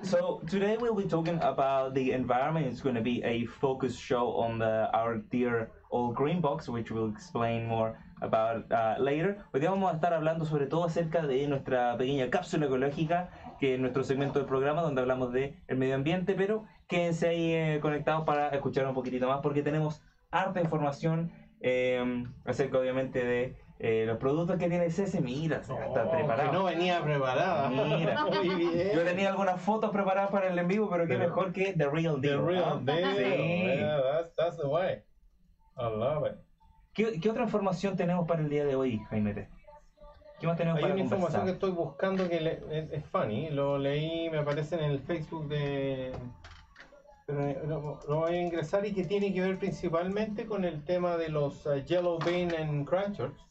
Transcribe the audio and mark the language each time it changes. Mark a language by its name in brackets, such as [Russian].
[English] So, today we'll be talking about the environment. It's going to be a focus show on our dear old Green Box, which we'll explain more about later. [Spanish] Hoy día vamos a estar hablando sobre todo acerca de nuestra pequeña cápsula ecológica, que es nuestro segmento del programa donde hablamos del medio ambiente, pero quédense ahí conectados para escuchar un poquitito más, porque tenemos harta información acerca, obviamente, de los productos que tiene Ceci. Mira, está preparado. Que no venía preparada. Mira, muy bien. Yo tenía algunas fotos preparadas para el en vivo, pero qué mejor que The Real Deal. [English] The Real Deal. Sí. Yeah, that's the way. I love it. [Spanish] ¿Qué otra información tenemos para el día de hoy, Jaime? ¿Qué más tenemos Hay para conversar? Hay una información que estoy buscando que es funny. Lo leí, me aparece en el Facebook de... Pero lo voy a ingresar y que tiene que ver principalmente con el tema de los Yellow Bean en Christchurch.